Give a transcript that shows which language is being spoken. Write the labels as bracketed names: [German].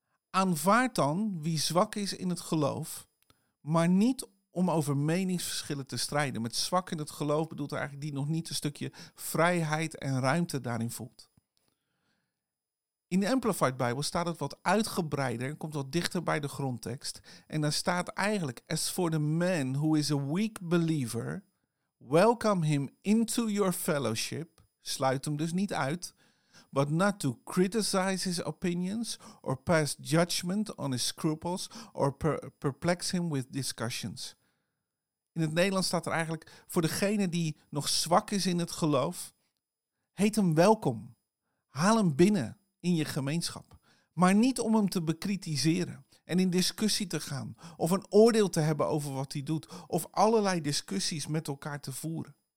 [Dutch] Aanvaard dan wie zwak is in het geloof, maar niet om over meningsverschillen te strijden. Met zwak in het geloof bedoelt eigenlijk die nog niet een stukje vrijheid en ruimte daarin voelt. In de Amplified Bijbel staat het wat uitgebreider en komt wat dichter bij de grondtekst. En dan staat eigenlijk, [English] as for the man who is a weak believer, welcome him into your fellowship, [Dutch] sluit hem dus niet uit, [English] but not to criticize his opinions or pass judgment on his scruples or perplex him with discussions. [Dutch] In het Nederlands staat er eigenlijk, voor degene die nog zwak is in het geloof, heet hem welkom, haal hem binnen. In je gemeenschap. Maar niet om hem te bekritiseren en in discussie te gaan. Of een oordeel te hebben over wat hij doet. Of allerlei discussies met elkaar te voeren.